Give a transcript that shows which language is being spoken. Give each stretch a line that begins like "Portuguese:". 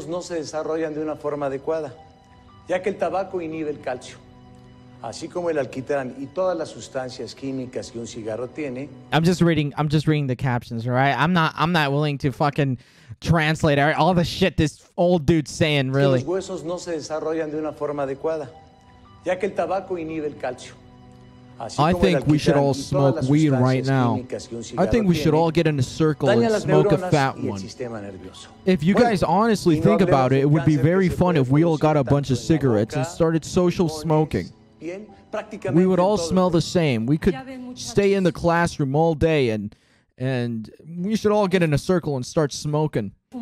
Spanish: No se desarrollan de una forma adecuada, ya que el tabaco inhibe el calcio. Así como el alquitrán y todas las sustancias químicas que un cigarro tiene.
English: I'm just reading the captions, right? I'm not willing to fucking translate all the shit this old dude's saying, really.
Spanish: Los huesos no se desarrollan de una forma adecuada, ya que el tabaco inhibe el calcio.
English: I think we should all smoke weed right now. I think we should all get in a circle and smoke a fat one. If you guys honestly think about it, it would be very fun if we all got a bunch of cigarettes and started social smoking. We would all smell the same. We could stay in the classroom all day and we should all get in a circle and start smoking.